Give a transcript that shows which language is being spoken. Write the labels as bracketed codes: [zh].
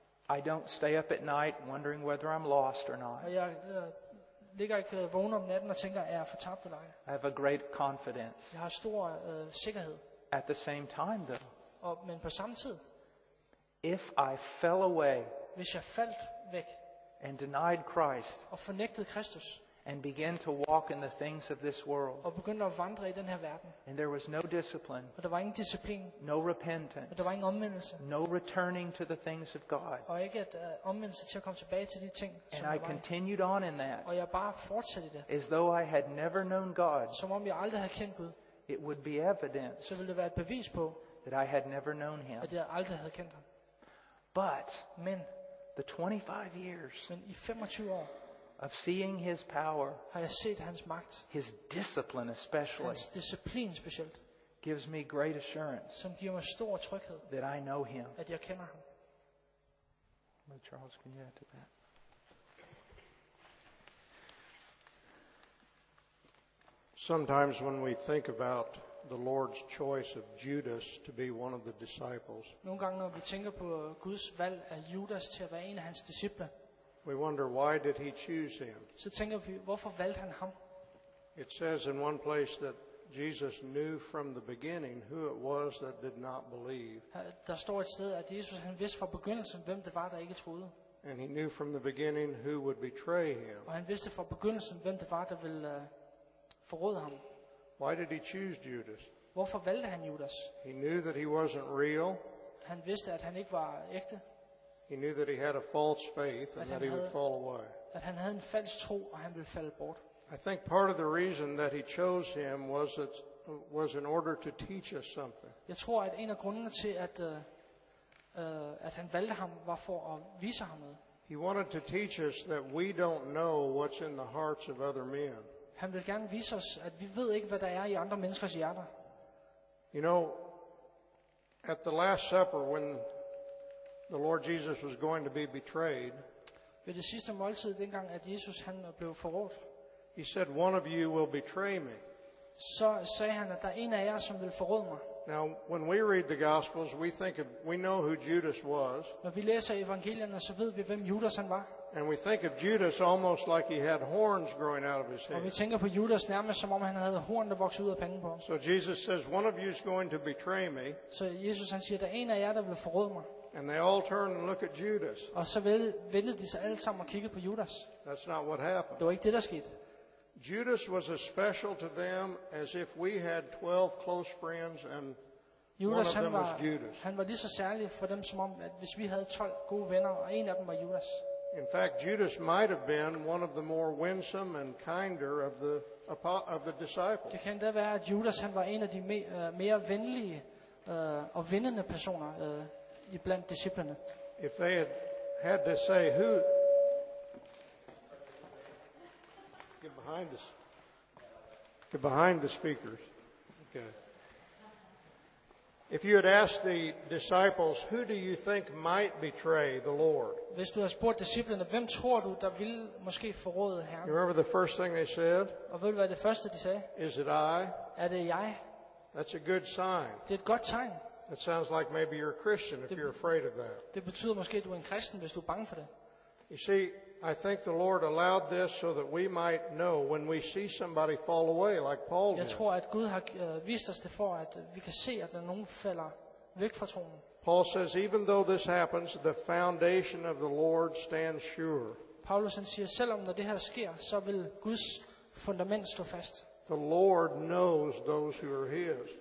[en] I don't stay up at night wondering whether I'm lost or not. [da] Ligger ikke vågen om natten og tænker, er jeg fortabt eller ej. [en] I have a great confidence. [da] Jeg har stor sikkerhed. [en] At the same time though. [da] Men på samme tid. [en] If I fell away. [da] Hvis jeg faldt væk. [en] And denied Christ. [da] Og fornægtede Kristus. [en] And began to walk in the things of this world. [da] Og begyndte at vandre i den her verden. [en] And there was no discipline. [da] Og der var ingen disciplin. [en] No repentance. [da] Og der var ingen omvendelse. [en] No returning to the things of God. [da] Og ikke at omvendelse til at komme tilbage til de ting som [en] And I continued on in that. [da] Og jeg bare fortsatte det. [en] As though I had never known God. [da] Som om jeg aldrig havde kendt Gud. [en] It would be evidence. [da] Så ville det være et bevis på. [en] That I had never known him. [da] At jeg aldrig havde kendt ham. [en] But. [da] Men. [en] The 25 years. [da] Men i 25 år. [en] Of seeing his power, [da] har jeg set hans magt, [en] his discipline especially, [da] hans disciplin specielt, [en] gives me great assurance, [da] som giver mig stor tryghed, [en] that I know him, [da] at jeg kender ham. [en] Charles, can you add to that? Sometimes when we think about the Lord's choice of Judas to be one of the disciples, [da] nogle gange når vi tænker på Guds valg af Judas til at være en af hans disciple. [en] We wonder why did he choose him? [da] Så tænker vi, hvorfor valgte han ham? [en] It says in one place that Jesus knew from the beginning who it was that did not believe. [da] Der står et sted at Jesus han vidste fra begyndelsen hvem det var der ikke troede. [en] And he knew from the beginning who would betray him. [da] Og han vidste fra begyndelsen hvem det var der ville forråde ham. [en] Why did he choose Judas? [da] Hvorfor valgte han Judas? [en] He knew that he wasn't real. [da] Han vidste at han ikke var ægte. [en] He knew that he had a false faith and that he would fall away. [da] At han havde en falsk tro og han ville falde bort. [en] I think part of the reason that he chose him was it was in order to teach us something. [da] Jeg tror at en af grundene til at at han valgte ham var for at vise ham noget. [en] He wanted to teach us that we don't know what's in the hearts of other men. [da] Han ville gerne vise os at vi ved ikke hvad der er i andre menneskers hjerter. [en] You know, at the Last Supper when The Lord Jesus was going to be betrayed. [da] Ved det sidste måltid, dengang at Jesus han blev forrådt. [en] He said, "One of you will betray me." [da] Så sagde han, at der er en af jer, som vil forråde mig. [en] Now, when we read the Gospels, we think of, we know who Judas was. [da] Når vi læser evangelierne, så ved vi, hvem Judas han var. [en] And we think of Judas almost like he had horns growing out of his head. [da] Og vi tænker på Judas nærmest som om han havde horn der voksede ud af panden på ham. [en] So Jesus says, "One of you is going to betray me." [da] Så Jesus han siger, der er en af jer, der vil forråde mig. [en] And they all turn and look at Judas. [da] Og så vendte de sig alle sammen og kiggede på Judas. [en] That's not what happened. [da] Det var ikke det der skete. [en] Judas was as special to them as if we had 12 close friends and Judas, one of them was Judas. [da] Han var lige så særlig for dem som om at hvis vi havde 12 gode venner og en af dem var Judas. [en] In fact, Judas might have been one of the more winsome and kinder of the disciples. [da] Det kan da være at Judas han var en af de mere venlige og vindende personer iblandt disciplerne. [en] If they had to say who get behind the speakers. Okay. If you had asked the disciples, who do you think might betray the Lord? [da] Hvis du havde spurgt disciplerne, hvem tror du der ville måske forråde Herren? [en] You remember the first thing they said? [da] Og ved du hvad det første de sagde? [en] Is it I? [da] Er det jeg? [en] That's a good sign. [da] Det er et godt tegn. [en] It sounds like maybe you're a Christian if you're afraid of that. [da] Det betyder måske du er en kristen hvis du er bange for det. [en] You see, I think the Lord allowed this so that we might know when we see somebody fall away like Paul did. [da] Jeg tror at Gud har vist os det for at vi kan se at når nogen falder væk fra troen. [en] Paul says even though this happens the foundation of the Lord stands sure. [da] Paulus han siger selvom når det her sker så vil Guds fundament stå fast. [en] The Lord knows those who are his.